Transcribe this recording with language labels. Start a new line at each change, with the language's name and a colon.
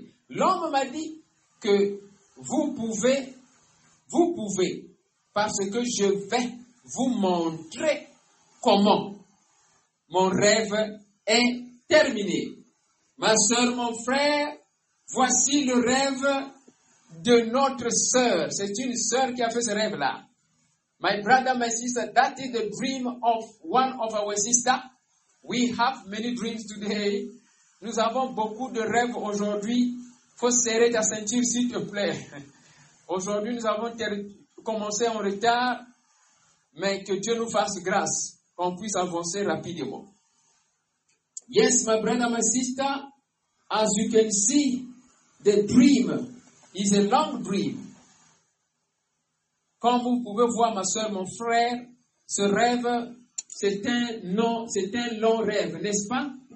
French: L'homme m'a dit que vous pouvez, parce que je vais vous montrer comment. Mon rêve est terminé. Ma soeur, mon frère, voici le rêve de notre soeur. C'est une soeur qui a fait ce rêve-là.
English: My brother, my sister, that is the dream of one of our sisters. We have many dreams today.
French: Nous avons beaucoup de rêves aujourd'hui. Faut serrer ta ceinture, s'il te plaît. Aujourd'hui, nous avons commencé en retard, mais que Dieu nous fasse grâce, qu'on puisse avancer rapidement.
English: Yes, my brother, my sister, as you can see, the dream is a long dream.
French: Comme vous pouvez voir, ma soeur, mon frère, ce rêve, c'est un long rêve, n'est-ce pas?